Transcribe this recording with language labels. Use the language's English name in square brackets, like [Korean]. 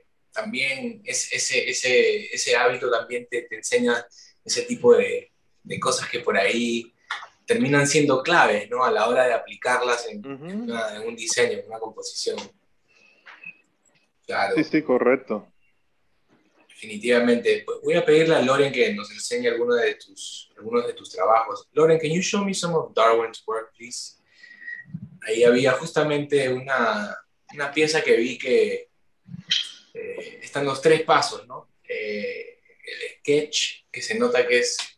[Spanish] También es ese hábito también te enseña ese tipo de cosas que por ahí terminan siendo claves, ¿no? A la hora de aplicarlas en un diseño, en una composición. Claro. Sí, correcto. Definitivamente. Voy a pedirle a Loren que nos enseñe algunos de tus trabajos. [English] Loren, can you show me some of Darwin's work, please? [Spanish] Ahí había justamente una pieza que vi que están los tres pasos, ¿no? El sketch, que se nota que es...